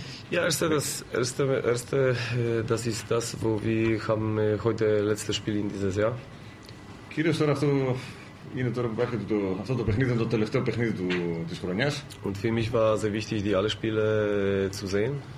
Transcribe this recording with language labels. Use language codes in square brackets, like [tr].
[de] Ja, erste, das ist das, wo wir haben heute letzte Spiel in dieses Jahr. [el] Κύριος, τώρα αυτό είναι τώρα που υπάρχει το, αυτό το παιχνίδι, το τελευταίο παιχνίδι του, της χρονιάς. [de] Und für mich war sehr wichtig, die alle Spiele zu sehen.